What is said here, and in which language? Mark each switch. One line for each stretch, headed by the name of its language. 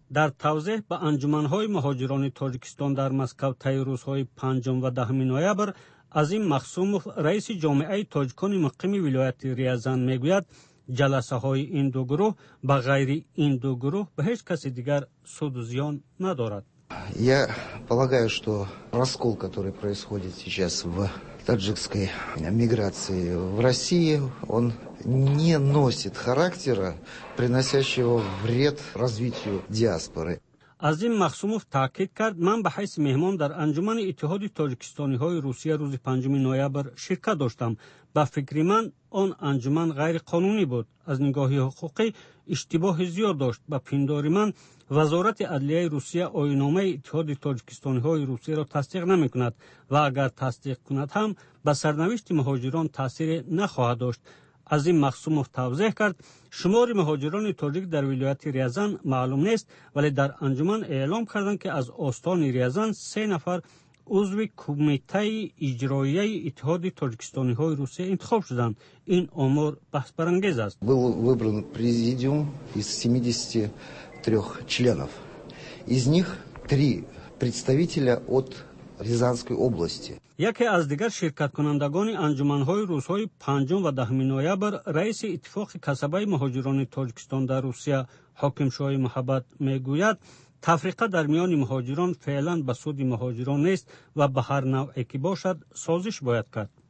Persian: در توضیح به انجمنهای مهاجران تاجیکستان در مسکو طی روزهای 5 و 10 نوامبر، عظیم مخصومف رئیس جامعه تاجیکان مقیم ولایت ریازان میگوید جلسه های این دو گروه به غیر این دو گروه به هیچ کس دیگر سود و زیان ندارد.
Russian: Я полагаю, что раскол, который происходит сейчас в таджикской миграции в России, он не носит характера, приносящего вред развитию диаспоры.
Tajik: Азим Махсумов таъкид кард, ман ба ҳайси меҳмон дар анҷумани Иттиҳоди Тоҷикистониҳои Русия рӯзи 5 ноябр ширкат доштам. Ба фикри ман он анҷуман ғайриқонунӣ буд. Аз нигоҳи ҳуқуқӣ иштибоҳи зиёд дошт. Ба пиндори ман Вазорати Адлияи Русия оинномаи Иттиҳоди Тоҷикистониҳои Русияро тасдиқ намекунад ва агар тасдиқ кунад ҳам ба сарнавишти муҳоҷирон таъсире нахоҳад дошт. Азим Махсумов тавзеҳ кард, шумори муҳоҷирони тоҷик дар вилояти Рязан маълум нест, вале дар анҷуман эълом карданд, ки аз остони Рязан 3 нафар узви кумитаи иҷроияи Иттиҳоди Тоҷикистониҳои Русия интихоб шуданд. Ин омор баҳсбарангез аст.
Russian: Был выбран президиум из 73 членов. Из них 3 представителя от Рязанской области.
Tajik: Яке аз дигар ширкаткунандагони анҷуманҳои рӯзҳои 5 ва 10 ноябр раиси иттифоқи касабаи муҳоҷирони Тоҷикистон дар Русия Ҳокимшоҳи Муҳаббат мегӯяд, тафриқа дар миёни муҳоҷирон феълан ба суди муҳоҷирон нест ва ба ҳар навъе ки бошад созиш бояд кард.